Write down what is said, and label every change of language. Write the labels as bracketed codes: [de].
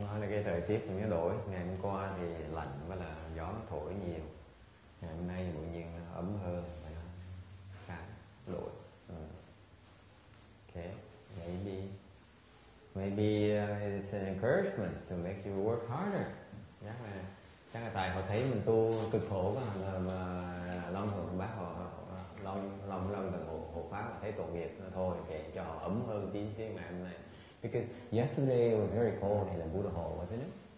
[vi] Nói là cái thời tiết cũng đổi. Ngày hôm qua thì lạnh với là gió thổi nhiều. Ngày hôm nay tự nhiên ấm hơn và nó khác đổi. [en] Okay, maybe. Maybe it's an encouragement to make you work harder. [vi] chắc là tại họ thấy mình tu cực khổ quá, mà long thượng bác họ long thượng hộ pháp họ thấy tội nghiệp thôi, kể cho họ ấm hơn tí xíu ngày hôm nay. [en] Because yesterday was very cold in the Buddha hall, wasn't it?